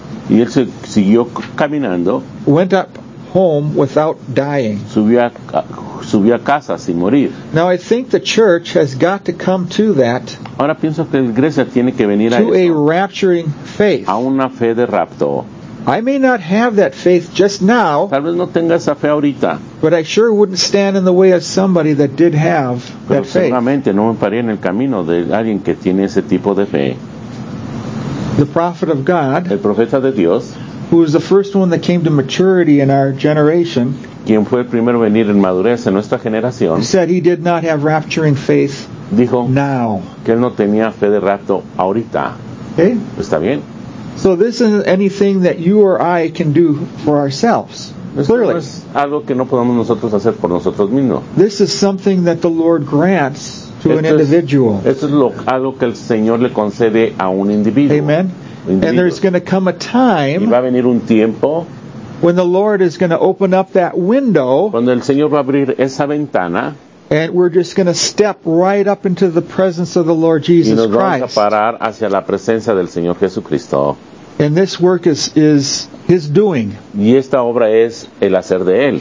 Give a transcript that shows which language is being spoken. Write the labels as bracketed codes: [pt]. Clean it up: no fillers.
[es] Y él se siguió caminando. [en] Went up home without dying. [es] Subió a casa sin morir. [en] Now I think the church has got to come to that. [es] Ahora pienso que la iglesia tiene que venir [en] to a rapturing faith. [es] A una fe de rapto. [en] I may not have that faith just now. [es] Tal vez no tenga esa fe ahorita. [en] But I sure wouldn't stand in the way of somebody that did have that faith. [es] Seguramente no me pararía en el camino de alguien que tiene ese tipo de fe. [en] The prophet of God. [es] El profeta de Dios. [en] Who was the first one that came to maturity in our generation? [es] Quien fue el primero en venir en madurez en nuestra generación? [en] Said he did not have rapturing faith. [es] Dijo [en] now. [es] Que él no tenía fe de rapto ahorita. [en] Okay. [es] Está bien. [en] So this isn't anything that you or I can do for ourselves. Clearly. [es] Es algo que no podemos nosotros hacer por nosotros mismos. [en] This is something that the Lord grants to an individual. [es] Esto es algo que el Señor le concede a un individuo. [en] Amen. And there's going to come a time [es] va a venir un tiempo [en] when the Lord is going to open up that window [es] cuando el Señor va a abrir esa ventana, [en] and we're just going to step right up into the presence of the Lord Jesus [es] y nos [en] Christ. [es] Vamos a parar hacia la presencia del Señor Jesucristo. [en] And this work is His doing. [es] Y esta obra es el hacer de Él.